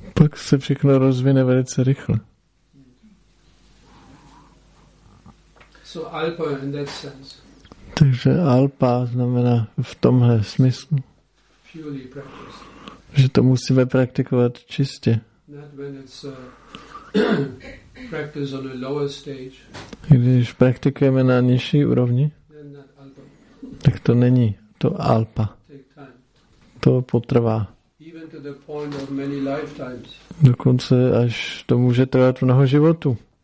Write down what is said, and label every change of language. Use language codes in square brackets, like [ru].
[cs] Pak se všechno rozvine velice rychle. [en] So alpa in that sense. [cs] Takže alpa znamená v tomhle smyslu, [en] purely practice. [cs] Že to musíme praktikovat čistě. [en] Not when it's practice on a lower stage. [cs] Když praktikujeme na nižší úrovni, [en] then not alpa. [cs] Tak to není to alpa. [en] Take time. [cs] To potrvá. [en] Even to the point of many lifetimes. [cs] Dokonce až to může trvat mnoho životů.